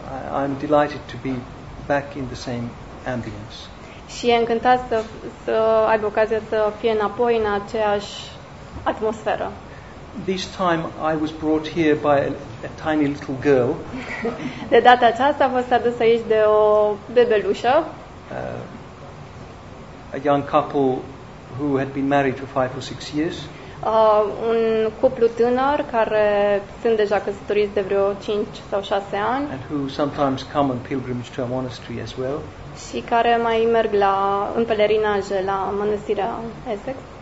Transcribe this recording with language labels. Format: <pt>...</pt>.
<en>I'm delighted to be back in the same ambience.</en> <ro>Și e încântat să aibă ocazia să fie înapoi în aceeași atmosferă.</ro> <en>This time I was brought here by a tiny little girl.</en> <ro>De data aceasta a fost adus aici de o bebelușă.</ro> <en>A young couple who had been married for 5 or 6 years.</en> <ro>Un cuplu tânăr care sunt deja căsătoriți de vreo 5 sau 6 ani.</ro> <en>And who sometimes come on pilgrimage to our monastery as well.</en> <ro>Și care mai merg la în pelerinaje la mănăstirea Essex.</ro>